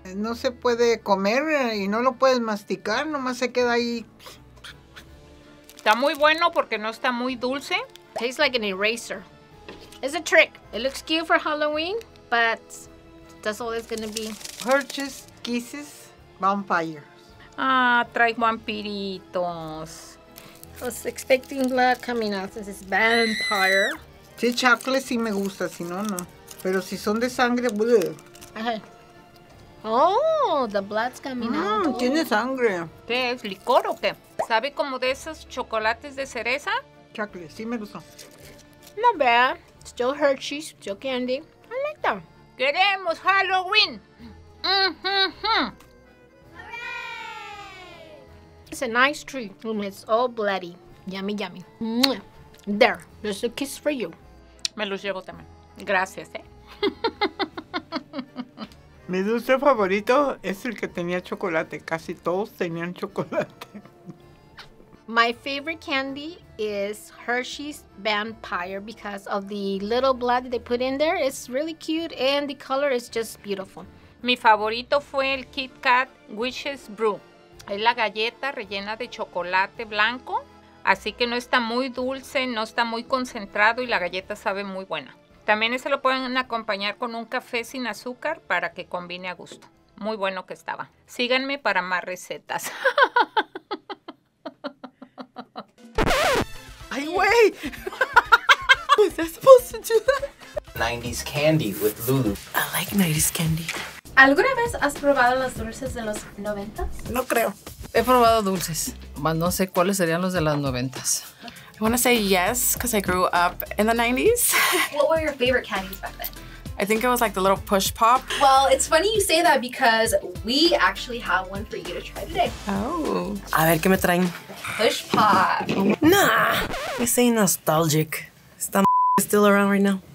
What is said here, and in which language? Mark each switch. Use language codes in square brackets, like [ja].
[es] No se puede comer y no lo puedes masticar, nomás se queda ahí. Está muy bueno porque no está muy dulce. [en] Tastes like an eraser. It's a trick. It looks cute for Halloween, but that's all it's gonna be. Hershey's Kisses Vampires. [es] Ah, trae vampiritos. [en] I was expecting blood coming out. This is vampire. [es] Sí, chocolate sí me gusta, si no, no. Pero si son de sangre, bleh. [en] Oh, the blood's coming out. Mmm, [es] tiene sangre. ¿Qué es? ¿Licor o qué? ¿Sabe como de esos chocolates de cereza? Chocolate, sí me gusta. [en] Not bad. Still Hershey's, still candy. I like them. [es] ¡Queremos Halloween! [en] It's a nice treat. It's all bloody. Yummy, yummy. Mwah. There, there's a kiss for you. [es] Me los llevo también. Gracias, eh. Mi dulce favorito es el que tenía chocolate. Casi todos tenían chocolate. [en] My favorite candy is Hershey's Vampire because of the little blood they put in there. It's really cute and the color is just beautiful. [es] Mi favorito fue el Kit Kat Witch's Brew. Es la galleta rellena de chocolate blanco. Así que no está muy dulce, no está muy concentrado y la galleta sabe muy buena. También ese lo pueden acompañar con un café sin azúcar para que combine a gusto. Muy bueno que estaba. Síganme para más recetas. ¡Ay, güey! [en] Was I supposed to do that? 90s candy with Lulu. I like 90s candy. [es] ¿Alguna vez has probado los dulces de los 90s? No creo. He probado dulces, pero no sé cuáles serían los de las 90s. [en] I want to say yes, because I grew up in the 90s. What were your favorite candies back then? I think it was like the little push pop. Well, it's funny you say that because we actually have one for you to try today. Oh. [es] A ver, ¿qué me traen? [en] Push pop. Nah, this ain't nostalgic. Is that still around right now?